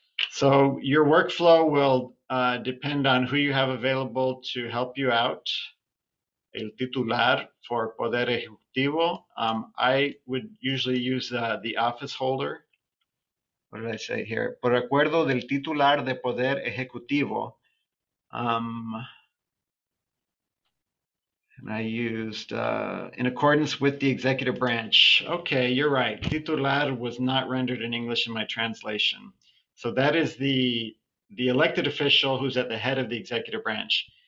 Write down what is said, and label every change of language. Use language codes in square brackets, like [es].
[en] So your workflow will depend on who you have available to help you out. [es] el titular for poder ejecutivo. [en] I would usually use the office holder. What did I say here? [es] Por acuerdo del titular de poder ejecutivo. [en] And I used in accordance with the executive branch. Okay, you're right. Titular was not rendered in English in my translation. So that is the elected official who's at the head of the executive branch.